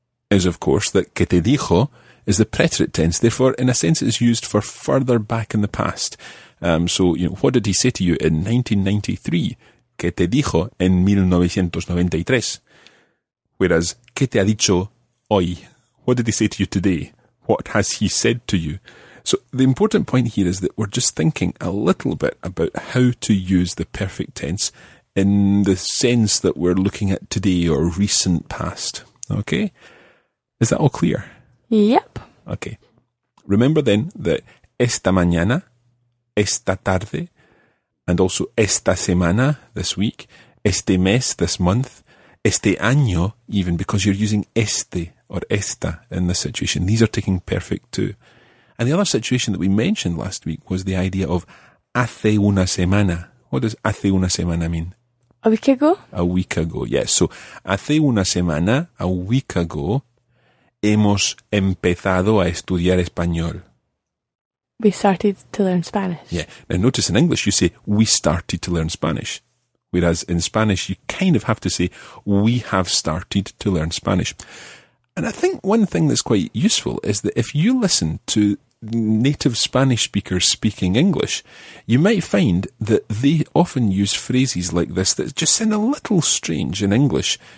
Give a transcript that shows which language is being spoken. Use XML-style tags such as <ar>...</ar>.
<en>Is, of course, that</en> <es>¿qué te dijo?</es> <en>Is the preterite tense. Therefore, in a sense, it's used for further back in the past. So, you know, what did he say to you in 1993?</en> <es>¿Qué te dijo en 1993?</es> <en>Whereas,</en> <es>¿qué te ha dicho hoy?</es> <en>What did he say to you today? What has he said to you? So the important point here is that we're just thinking a little bit about how to use the perfect tense in the sense that we're looking at today or recent past. Okay? Is that all clear? Yep. Okay. Remember then that</en> <es>esta mañana, esta tarde,</es> <en>and also</en> <es>esta semana,</es> <en>this week,</en> <es>este mes,</es> <en>this month,</en> <es>este año</es> <en>even, because you're using este or esta in this situation. These are taking perfect too. And the other situation that we mentioned last week was the idea of</en> <es>hace una semana.</es> <en>What does</en> <es>hace una semana</es> <en>mean? A week ago? A week ago, yes. So,</en> <es>hace una semana,</es> <en>a week ago,</en> <es>hemos empezado a estudiar español.</es> <en>We started to learn Spanish. Yeah. Now, notice in English you say, we started to learn Spanish. Whereas in Spanish you kind of have to say, we have started to learn Spanish. And I think one thing that's quite useful is that if you listen to native Spanish speakers speaking English, you might find that they often use phrases like this that just sound a little strange in English.</en>